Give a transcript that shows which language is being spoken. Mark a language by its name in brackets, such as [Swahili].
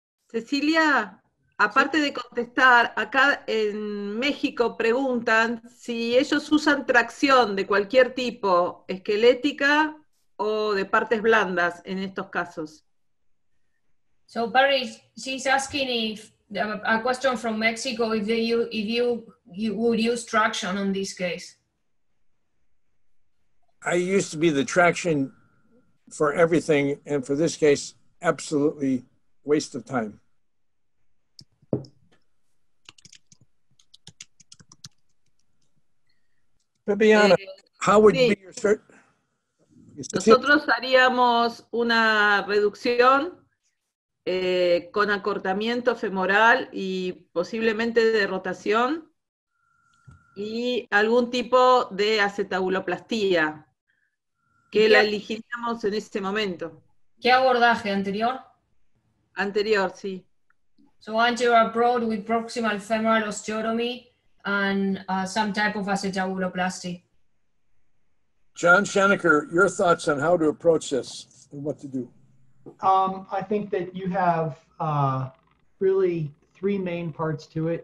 [Spanish] Cecilia, aparte de contestar, acá en México preguntan si ellos usan tracción de cualquier tipo, esquelética o de partes blandas en estos casos. [English] So Barry, she's asking a question from Mexico, if you would use traction on this case. I used to be the traction for everything, and for this case, absolutely waste of time. Bibiana, how would sí. be your surgery? [Spanish] Nosotros haríamos una reducción con acortamiento femoral y posiblemente de rotación y algún tipo de acetabuloplastía que la elegiríamos en este momento. ¿Qué abordaje anterior? Anterior, sí. [English] So anterior abroad with proximal femoral osteotomy and some type of acetabuloplasty. John Schoenecker, your thoughts on how to approach this and what to do? I think that you have really three main parts to it.